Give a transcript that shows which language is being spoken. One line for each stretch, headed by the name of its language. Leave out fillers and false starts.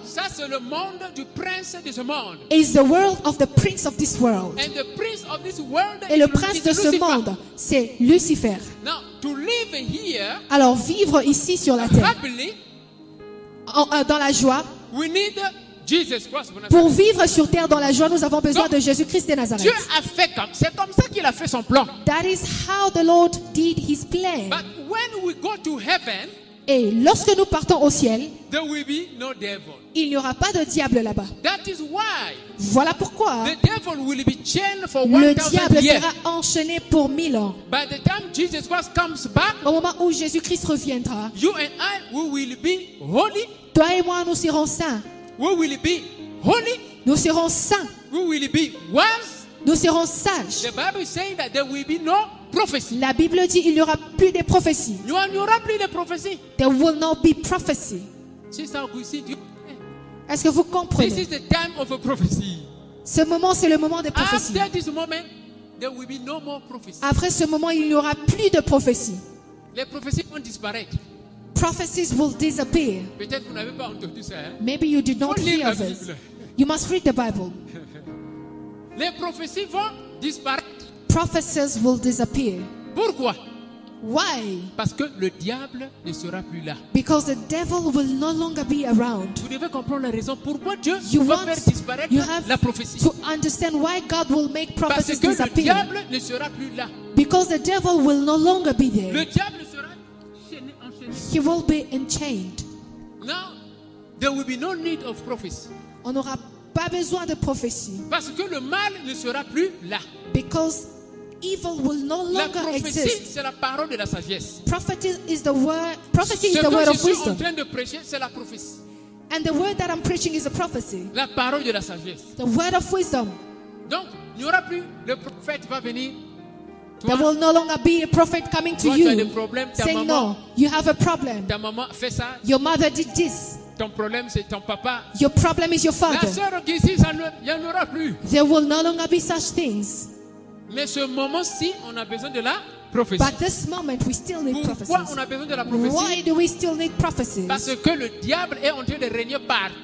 French: ça c'est le monde du prince de ce monde,
English: is the world of the prince of this world. And the prince of this world,
French: et le prince de ce monde, c'est Lucifer.
English: Now, to live here,
French: alors vivre ici sur la terre,
English: happily,
French: dans la joie,
English: we need Jesus Christ.
French: Pour vivre sur terre dans la joie, nous avons besoin de Jésus-Christ de Nazareth. Dieu a fait comme, c'est comme ça qu'il a fait son plan.
English: That is how the Lord did his plan. But when we go to heaven,
French: et lorsque nous partons au ciel,
English: there will be no devil.
French: Il n'y aura pas de diable là-bas.
English: That is why,
French: voilà pourquoi
English: the devil will be chained for
French: 1,000 le diable
English: years.
French: Sera enchaîné pour 1000 ans.
English: By the time Jesus Christ comes back,
French: au moment où Jésus-Christ reviendra,
English: you and I, we will be holy.
French: Toi et moi, nous serons saints.
English: We will be holy.
French: Nous serons saints.
English: We will be wise.
French: Nous serons sages.
English: The Bible is saying that there will be no prophecy.
French: La Bible dit il n'y aura plus de prophéties. Il n'y aura plus de prophéties.
English: There will not be prophecy. Sister Augustine,
French: est-ce que vous comprenez?
English: This is the time of a prophecy.
French: Ce moment, c'est le moment des prophéties.
English: After this moment, there will be no more prophecy.
French: Après ce moment, il n'y aura plus de prophéties. Les prophéties vont disparaître.
English: Prophecies will disappear.
French: Peut-être vous n'avez pas entendu ça, hein?
English: Maybe you did not hear of it. You must read the Bible.
French: Les prophéties vont disparaître.
English: Prophecies will disappear.
French: Pourquoi?
English: Why?
French: Parce que le diable ne sera plus là.
English: Because the devil will no longer be around.
French: Vous devez comprendre la raison pourquoi Dieu va faire disparaître la prophétie.
English: To understand why God will make prophecies disappear.
French: Parce que le diable ne sera plus là.
English: Because the devil will no longer be there.
French: Le diable sera
English: he will be enchained. Now, there will be no need of prophecy.
French: On n'aura pas besoin de prophétie. Parce que le mal ne sera plus là.
English: Because evil will no longer
French: la prophétie,
English: exist.
French: C'est la parole de la sagesse.
English: Prophecy is the word of wisdom.
French: Ce que je suis en train de prêcher, c'est la prophétie.
English: And the word that I'm preaching is a prophecy.
French: La parole de la sagesse.
English: The word of wisdom.
French: Donc, il n'y aura plus le prophète va venir.
English: There will no longer be a prophet coming to you saying, no, you have a problem.
French: Ta maman fait ça.
English: Your mother did this.
French: Ton problème, c'est ton papa.
English: Your problem is your father.
French: La sœur qui dit, ça ne, y en aura plus.
English: There will no longer be such things.
French: Mais ce moment-ci, on a besoin de la prophétie.
English: But this moment, we still need
French: Pourquoi
English: prophecies.
French: On a besoin de la prophétie?
English: Why do we still need prophecies?
French: Parce que le diable est en train de régner partout.